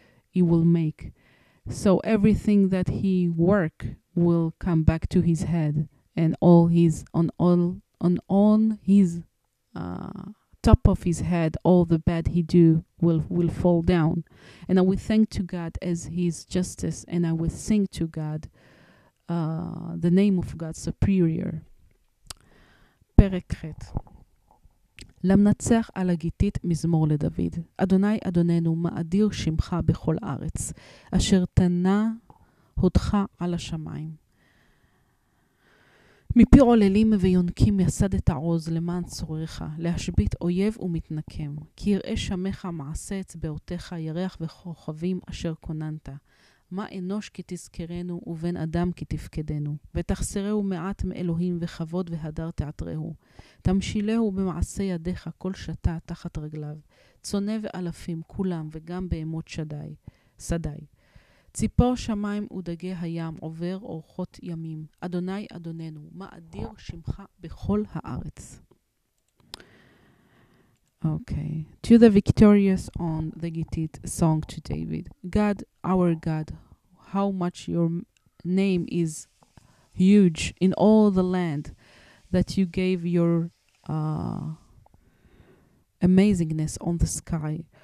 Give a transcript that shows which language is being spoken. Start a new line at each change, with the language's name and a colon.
English: He will make, so everything that he work will come back to his head, and all his on his top of his head, all the bad he do will fall down. And I will thank to God as his justice, and I will sing to God the name of God superior.
Hebrew: Perekret. למנצח על הגיטית מזמור לדוד. אדוני אדוננו מאדיר שמך בכל ארץ, אשר תנה הודך על השמיים. מפי עוללים ויונקים יסדת עוז למען צורך, להשבית אויב ומתנקם. כי יראה שמך מעשה אצבעותיך, ירח וכוכבים אשר כוננת. מה אנוש כי תזכרנו ובן אדם כי תפקדנו. ותחסרהו מעט מאלוהים וכבוד והדר תעטרהו. תמשילהו במעשה ידיך כל שתה תחת רגליו. צונה ואלפים כולם וגם בהמות שדי. שדי. ציפור שמיים ודגי הים עובר אורחות ימים. אדוני אדוננו, מה אדיר שמך בכל הארץ.
English: Okay. To the victorious on the Gittit song to David. God, our God, how much your name is huge in all the land that you gave your amazingness on the sky.